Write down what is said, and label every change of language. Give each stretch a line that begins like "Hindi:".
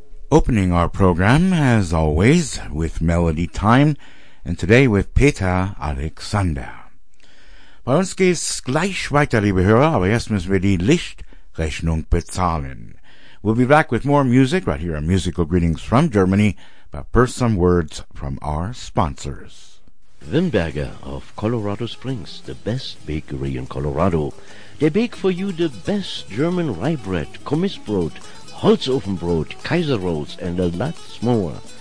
English: opening our program, as always, with Melody Time, and today with Peter Alexander.
German: Bei uns geht's gleich weiter, liebe Hörer, aber erst müssen wir die Lichtrechnung bezahlen.
English: We'll be back with more music right here on Musical Greetings from Germany, but first some words from our sponsors. Wimberger of Colorado Springs, the best bakery in Colorado. They bake for you the best German rye bread, Kommissbrot, Holzofenbrot, Kaiser Rolls, and a lot more.